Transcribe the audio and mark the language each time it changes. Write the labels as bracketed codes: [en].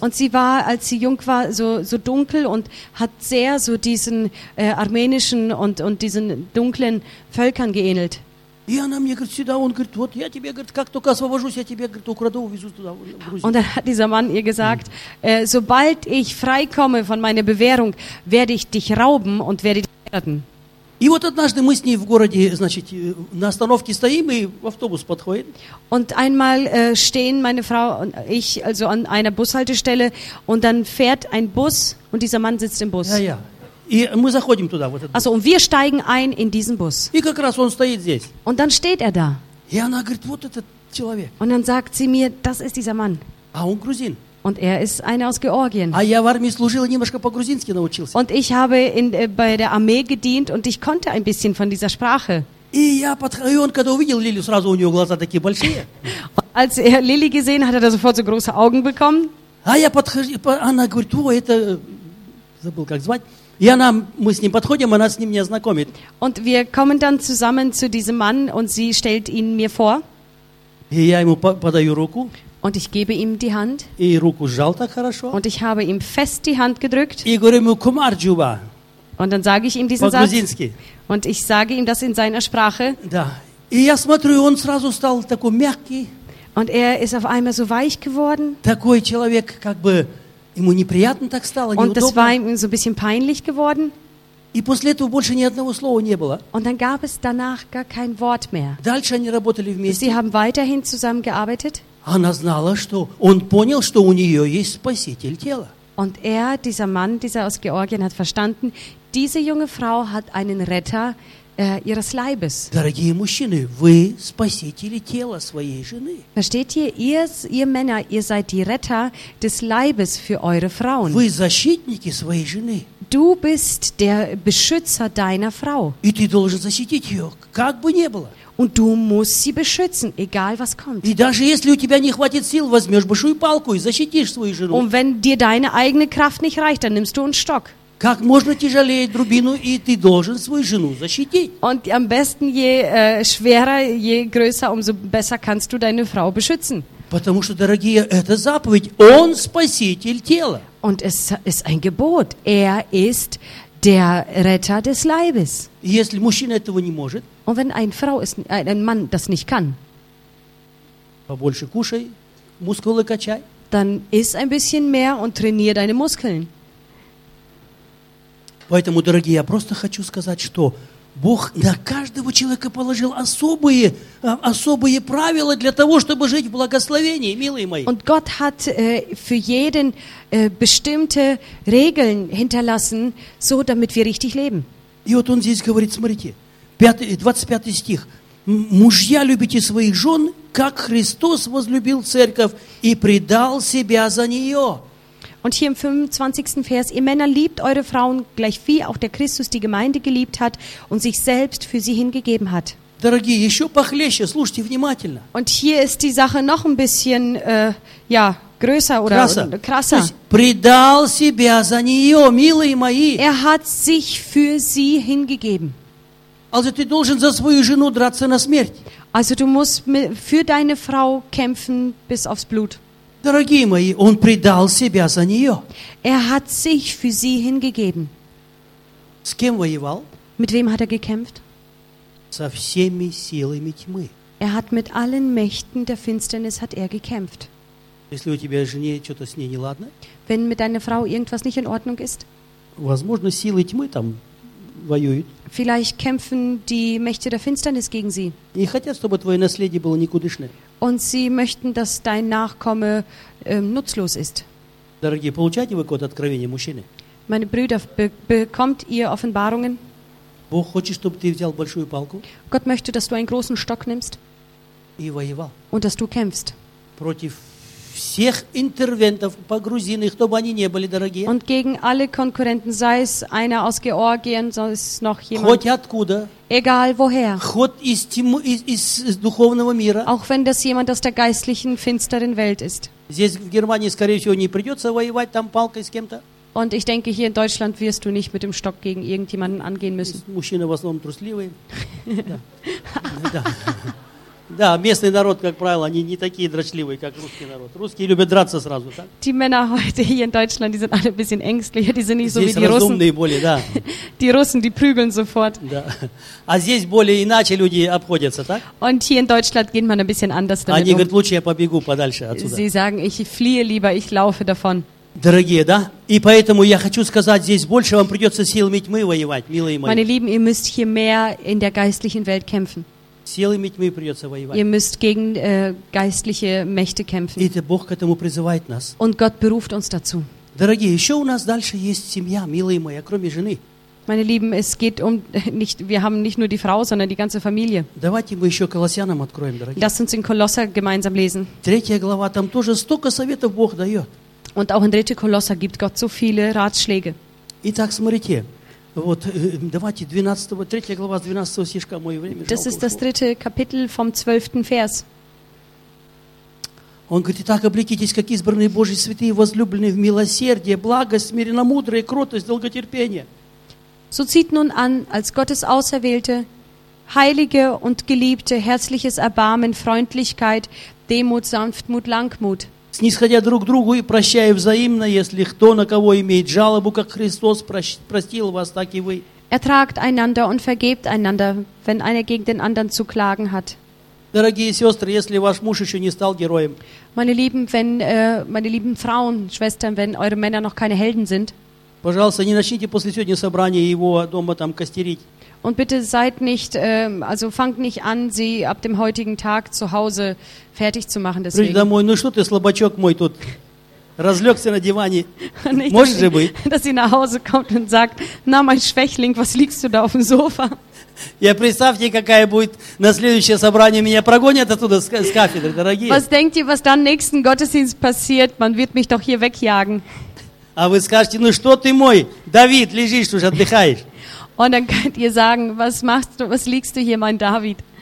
[de] Und sie war, als sie jung war, so dunkel und hat sehr so diesen armenischen und diesen dunklen Völkern geähnelt. [ru] И она мне говорит, сюда, он говорит, вот я тебе, говорит, как только освобожусь, я тебе, говорит, украду, увезу туда, в Грузию. [de] Und dann hat dieser Mann ihr gesagt, sobald ich freikomme von meiner Bewährung, werde ich dich rauben und werde dich werden. [ru] И вот однажды мы с ней в городе, значит, на остановке стоим, и автобус подходит. Und einmal stehen meine Frau und ich also an einer Bushaltestelle und dann fährt ein Bus und dieser Mann sitzt im Bus. [de] Ja, ja. [ru] И мы заходим туда, в этот [de] Also, und wir steigen ein in diesen Bus. [ru] И как раз он стоит здесь. [de] Und dann steht er da. [ru] И она говорит, вот этот человек. [de] Und dann sagt sie mir, das ist dieser Mann. [ru] А он грузин. [de] Und er ist einer aus Georgien. [ru] А я в армии служил и немножко по-грузински научился. [de] Und ich habe bei der Armee gedient und ich konnte ein bisschen von dieser Sprache. [ru] И он когда увидел Лилю, сразу у него глаза такие большие. [de] Als er Lilly gesehen hat, hat er sofort so große Augen bekommen. [ru] А я подхожу, она говорит, о, это, забыл как звать. И она, мы с ним подходим, она с ним меня знакомит. [de] Und wir kommen dann zusammen zu diesem Mann und sie stellt ihn mir vor. [ru] И я ему подаю руку. [de] Und ich gebe ihm die Hand. [ru] И руку сжал так хорошо. [de] Und ich habe ihm fest die Hand gedrückt. [ru] И говорю ему кумарджуба. [de] Und dann sage ich ihm diesen Satz. [ru] По-грузински. [de] Und ich sage ihm das in seiner Sprache. [ru] Да. И я смотрю, он сразу стал такой мягкий. [de] Und er ist auf einmal so weich geworden. [ru] Такой человек, как бы. Ему неприятно так стало, [de] Und [ru] неудобно. [de] Das war ihm so ein bisschen peinlich geworden. [ru] И после этого больше ни одного слова не было. [de] Und dann gab es danach gar kein Wort mehr. [ru] Дальше они работали вместе. [de] Sie haben weiterhin zusammengearbeitet. [ru] Она знала, что он понял, что у нее есть спаситель тела. [de] Und er, dieser Mann, dieser aus Georgien, hat verstanden, diese junge Frau hat einen Retter ihres Leibes. [ru] Дорогие мужчины, вы спасители тела своей жены. [de] Versteht ihr, ihr Männer, ihr seid die Retter des Leibes für eure Frauen. [ru] Вы защитники своей жены. [de] Du bist der Beschützer deiner Frau. [ru] И ты должен защитить ее, как бы ни было. [de] Und du musst sie beschützen, egal was kommt. [ru] И даже если у тебя не хватит сил, возьмешь большую палку и защитишь свою жену. [de] Und wenn dir deine eigene Kraft nicht reicht, dann nimmst du einen Stock. [ru] Как можно тяжелее дубину, и ты должен свою жену защитить. [de] Und am besten je schwerer, je größer, umso besser kannst du deine Frau beschützen. [ru] Потому что, дорогие, это заповедь. Он спаситель тела. [de] Und es ist ein Gebot. Er ist der Retter des Leibes. [ru] Если мужчина этого не может, [de] Und wenn ein Frau ist, ein Mann das nicht kann, [ru] побольше кушай, мускулы качай. [de] Dann iss ein bisschen mehr und trainiere deine Muskeln. [ru] Поэтому, дорогие, я просто хочу сказать, что Бог на каждого человека положил особые, особые правила для того, чтобы жить в благословении, милые мои. [de] Und Gott hat für jeden bestimmte Regeln hinterlassen, so damit wir richtig leben. [ru] И вот он здесь говорит, смотрите, 25 стих. Мужья, любите своих жен, как Христос возлюбил церковь и предал себя за нее. [de] Und hier im 25. Vers, ihr Männer, liebt eure Frauen gleich wie auch der Christus die Gemeinde geliebt hat und sich selbst für sie hingegeben hat. [ru] Дорогие, еще похлеще, слушайте внимательно. [de] Und hier ist die Sache noch ein bisschen, ja, größer oder krasser. [ru] То есть, предал себя за нее, милые мои. [de] Er hat sich für sie hingegeben. Also [ru] ты должен за свою жену драться на смерть. [de] Also du musst für deine Frau kämpfen bis aufs Blut. [ru] Дорогие мои, он предал себя за нее. [de] Er hat sich für sie hingegeben. [ru] С кем воевал? [de] Mit wem hat er gekämpft? [ru] Со всеми силами тьмы. [de] Er hat mit allen Mächten der Finsternis hat er gekämpft. [ru] Если у тебя жене что-то с ней неладно? [de] Wenn mit deiner Frau irgendwas nicht in Ordnung ist? [ru] Возможно, силы тьмы там воюют. [de] Vielleicht kämpfen die Mächte der Finsternis gegen sie. [ru] Не хотят, чтобы твое наследие было никудышное. [de] Und sie möchten, dass dein Nachkomme nutzlos ist. [ru] Дорогие, получаете вы какое-то откровение, мужчины? [de] Meine Brüder, bekommt ihr Offenbarungen? [ru] Бог хочет, чтобы ты взял большую палку. [de] Gott möchte, dass du einen großen Stock nimmst. [ru] И воевал. [de] Und dass du kämpfst. [ru] Против всех интервентов, погрузинных, кто бы они ни были, дорогие. [de] Und gegen alle Konkurrenten, sei es einer aus Georgien, sei es noch jemand. [ru] Хоть откуда. [de] Egal woher. [ru] Хоть из, из духовного мира. [de] Auch wenn das jemand aus der geistlichen, finsteren Welt ist. [ru] Здесь в Германии, скорее всего, не придется воевать там палкой с кем-то. [de] Und ich denke, hier in Deutschland wirst du nicht mit dem Stock gegen irgendjemanden angehen müssen. [ru] Мужчины в основном трусливые. Да. Да, местный народ, как правило, они не такие дрочливые, как русский народ. Русские любят драться сразу, так? [de] Die Männer heute hier in Deutschland, die sind alle ein bisschen ängstlich, die sind nicht so wie die Russen. [ru] Здесь разумные более, да. [de] Die Russen, die prügeln sofort. [ru] Да. А здесь более иначе люди обходятся, так? [de] Und hier in Deutschland geht man ein bisschen anders damit. [ru] Они говорят, лучше я побегу подальше отсюда. [de] Sie sagen, ich fliehe lieber, ich laufe davon. [ru] Дорогие, да? И поэтому я хочу сказать, здесь больше вам придется силами тьмы воевать, милые мои. [de] Meine Lieben, ihr müsst hier mehr in der geistlichen Welt kämpfen. [ru] Силами тьмы придется воевать. [de] Ihr müsst gegen geistliche Mächte kämpfen. [ru] И Бог к этому призывает нас. [de] Und Gott beruft uns dazu. [ru] Дорогие, еще у нас дальше есть семья, милые мои, кроме жены. [de] Meine Lieben, es geht um nicht, wir haben nicht нур die Frau, sondern die ganze Familie. [ru] Давайте мы еще Колоссянам откроем, дорогие. [de] Lass uns in Kolosser gemeinsam lesen. [ru] Третья глава, там тоже столько советов Бог дает. [de] Und auch in 3. Kolosser gibt Gott so viele Ratschläge. [ru] Итак, смотрите. Вот, давайте 12-го, 3-я глава 12-го стишка, мое время. [de] Das ist das 3. Kapitel vom 12. Vers. [ru] Он говорит, итак, облекитесь, как избранные Божьи святые, возлюбленные в милосердие, благость, мирномудрие, кротость, долготерпение. [de] So zieht nun an, als Gottes Auserwählte, Heilige und Geliebte, herzliches Erbarmen, Freundlichkeit, Demut, Sanftmut, Langmut. [ru] Снисходя друг к другу и прощая взаимно, если кто на кого имеет жалобу, как Христос простил вас, так и вы. [de] Ertragt einander und vergebt einander, wenn einer gegen den anderen zu klagen hat. [ru] Дорогие сестры, если ваш муж еще не стал героем. [de] Meine lieben Frauen, Schwestern, wenn eure Männer noch keine Helden sind. [ru] Пожалуйста, не начните после сегодня собрания его дома там костерить. [de] Und bitte seid nicht, also fangt nicht an, sie ab dem heutigen Tag zu Hause fertig zu machen. Deswegen. [ru] Приди домой, ну что ты, слабачок мой тут, разлегся на диване, может же быть? [de] Dass sie nach Hause kommt und sagt, na mein Schwächling, was liegst du da auf dem Sofa? [ru] Я представьте, какая будет на следующее собрание, меня прогонят оттуда с кафедры, дорогие. [de] Was denkt ihr, was dann nächsten Gottesdienst passiert? Man wird mich doch hier wegjagen. [ru] А вы скажете, ну что ты мой, Давид, лежишь уже, отдыхаешь. [de] Und dann könnt ihr sagen, was machst du, was liegst du hier, mein David?